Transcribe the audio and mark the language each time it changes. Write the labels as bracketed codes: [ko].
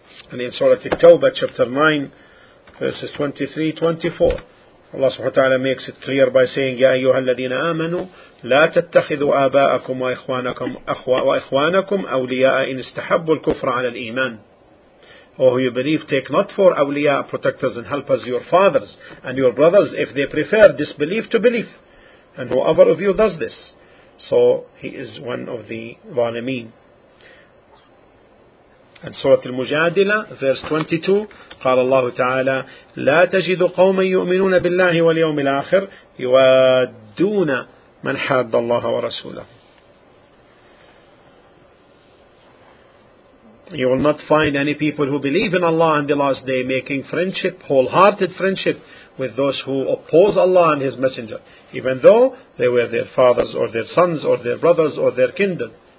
[en] And in Surah At-Tawbah, chapter 9, verses 23-24, Allah subhanahu wa ta'ala makes it clear by saying, [ar] يَا أَيُّهَا الَّذِينَ آمَنُوا لَا تَتَّخِذُوا آبَاءَكُمْ وَإِخْوَانَكُمْ أَوْلِيَاءَ إِنْ اسْتَحَبُّوا الْكُفْرَ عَلَى الْإِيمَانِ. [en] Oh, you believe, take not for awliya, protectors and helpers, your fathers and your brothers, if they prefer disbelief to belief. And whoever of you does this, so he is one of the zalimeen. And Surah Al-Mujadila, verse 22, [ar] قال الله تعالى لا تجد قوما يؤمنون بالله واليوم الآخر يوادون من حاد الله ورسوله. [en] You will not find any people who believe in Allah and the last day making friendship, wholehearted friendship, with those who oppose Allah and His Messenger, even though they were their fathers or their sons or their brothers or their kindred.